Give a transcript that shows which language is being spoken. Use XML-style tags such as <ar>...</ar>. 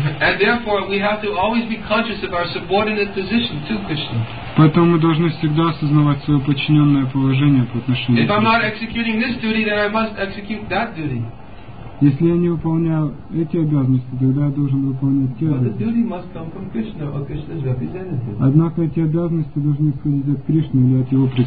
<en>And therefore we have to always be conscious of our subordinate position to Krishna.</en> <ru>Поэтому мы должны всегда осознавать свое подчиненное положение по отношению к</ru> <en>Кришне. If I'm not executing this duty, then I must execute that duty.</en> <ru>Если я не выполняю эти обязанности, тогда я должен выполнять те обязанности. Однако эти обязанности должны исходить от Кришны или от его</ru>